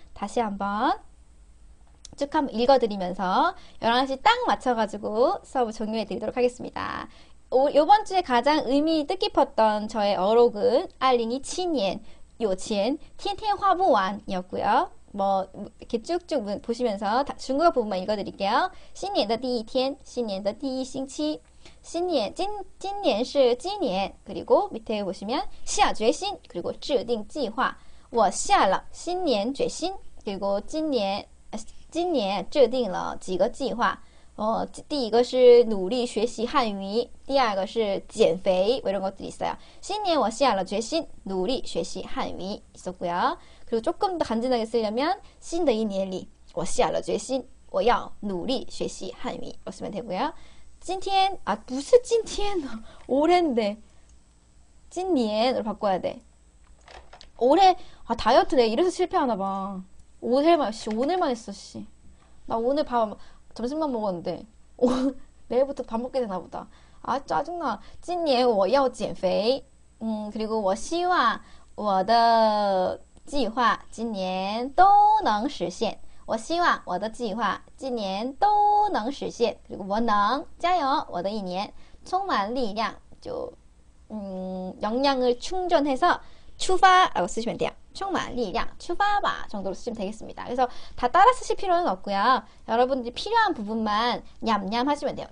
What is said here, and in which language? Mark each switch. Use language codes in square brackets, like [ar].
[ko] 다시 한번 쭉 한번 읽어드리면서 11시 딱 맞춰가지고 수업을 종료해드리도록 하겠습니다. 요번 주에 가장 의미 뜻깊었던 저의 어록은 알링이 친옌, 요치엔, 틴틴 화보완이었고요. 뭐 이렇게 쭉쭉 보시면서 중국어 부분만 읽어드릴게요. 신년의 [zh] 第一天, [ko] 신년의 [zh] 第一星期, [ko] 신년, [zh] 今年是今年, [ko] 그리고 밑에 보시면 [zh] 下决心, [ko] 그리고 [zh] 制定计划, 我下了 [ko] 신년 [zh] 决心, 그리고 今年制定了几个计划, 第一个是努力学习汉语, 第二个是减肥, [ko] 뭐 이런 것들이 있어요. 신년 [zh] 我下了决心, 努力学习汉语 [ko] 있었고요. 그리고 조금 더 간지나게 쓰려면 신 [zh] 的一年里, 我下了决心, 我要努力学习汉语 쓰면 되고요. 今天, [ko] 아 무슨 [zh] 今天, [ko] 올해인데 [zh] 今年 [ko] 으로 바꿔야 돼. 올해, 아 다이어트 내가 이래서 실패하나 봐. 오늘만, 씨 오늘만 했어 씨. 나 오늘 밥 점심만 먹었는데 내일부터 밥 먹게 되나 보다. 아 짜증나. [zh] 今年我要减肥. 그리고 我希望我的 计划今年都能实现，我希望我的计划今年都能实现。这个我能加油，我的一年充满力量，就能量 [ko] 을충전해서 [zh] 出发， [ko] 라고쓰시면돼요。 [zh] 充满力量，出发吧， [ko] 정도로쓰시면되겠습니다。 그래서다따라쓰실 필요는 없고요。 여러분들이 필요한 부분만 냠냠 하시면 돼요。